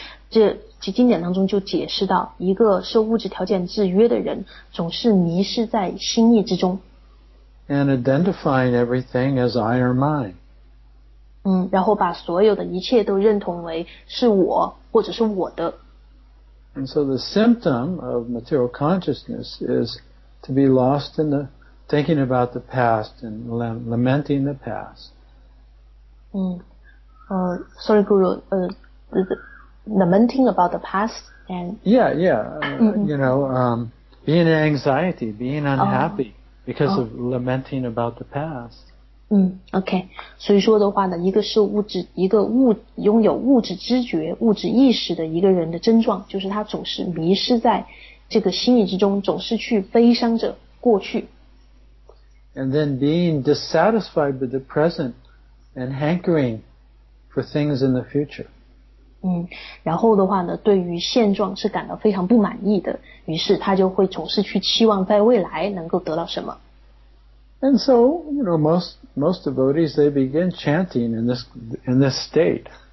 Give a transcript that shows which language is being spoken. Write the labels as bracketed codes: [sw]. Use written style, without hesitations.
[zh] 这经典当中就解释到，一个受物质条件制约的人总是迷失在心意之中。 [en] And identifying everything as I or mine. [zh] 然后把所有的一切都认同为是我或者是我的。 [en] And so the symptom of material consciousness is to be lost in the thinking about the past and lamenting the past. Sorry, Guru. Lamenting about the past and being in anxiety, being unhappy because of lamenting about the past. [zh] OK, 所以说的话呢，拥有物质知觉、物质意识的一个人的症状，就是他总是迷失在这个心理之中，总是去悲伤着过去。 [en] And then being dissatisfied with the present and hankering for things in the future. [zh] 然后的话呢，对于现状是感到非常不满意的，于是他就会总是去期望在未来能够得到什么。 [en] And so, you know, most devotees, they begin chanting in this state.